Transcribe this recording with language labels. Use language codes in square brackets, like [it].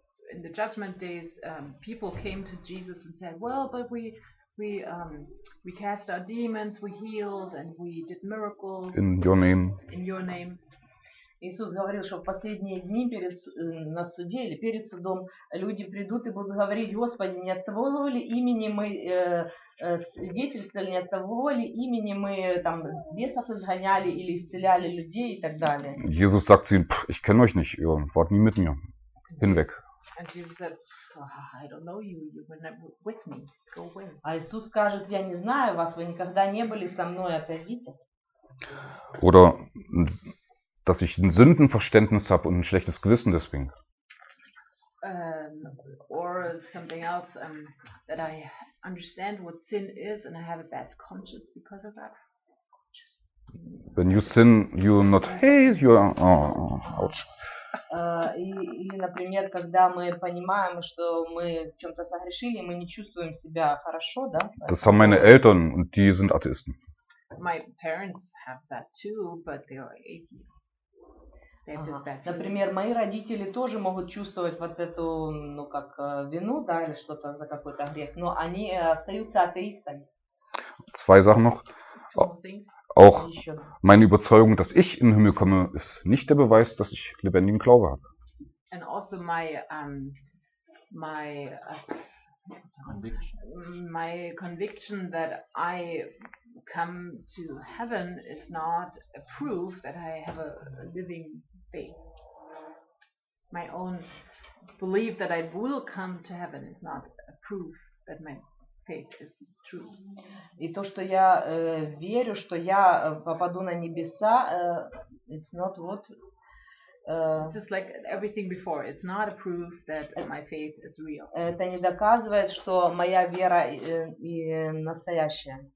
[en] In the judgment days, people came to Jesus and said, well, but we cast out demons, we healed, and we did miracles. In your name. In your name. [ru] Иисус говорил, что в последние дни перед на суде или перед судом люди придут и будут говорить, Господи, не от Твоего ли имени мы свидетельствовали, не от Твоего ли имени мы там бесов изгоняли или исцеляли людей и так далее. [de] Jesus sagt zu ihm, ich kenne euch nicht, ihr wart nie mit mir. Hinweg. [en] And Jesus said, I don't know you, you were not with me. Go away. [ru] А Иисус скажет, я не знаю вас, вы никогда не были со мной, отойдите. [de] Oder dass ich ein Sündenverständnis habe und ein schlechtes Gewissen deswegen. [en] Or something else, that I understand what sin is and I have a bad conscience because of that. When you sin, you're not, hey, you're, oh, ouch. [ru] Или, например, когда мы понимаем, что мы в чем-то согрешили, мы не чувствуем себя хорошо, да? [de] Das haben meine Eltern und die sind Atheisten. [en] My parents have that too, but they are atheists. Ага. [ru] Например, мои родители тоже могут чувствовать вот эту, ну как, вину, да, или что-то за какой-то грех, но они остаются атеистами. [de] Zwei Sachen noch. Auch meine Überzeugung, dass ich in den Himmel komme, ist nicht der Beweis, dass ich lebendigen Glaube habe. [en] And also my conviction that I come to heaven is not a proof that I have a living my own belief that I will come to heaven is not a proof that my faith is true. [ru] И то, что я верю, что я попаду на небеса, [en] it's not what just like everything before, it's not a proof that my faith is real. [ru] Это не доказывает, что моя вера и настоящая.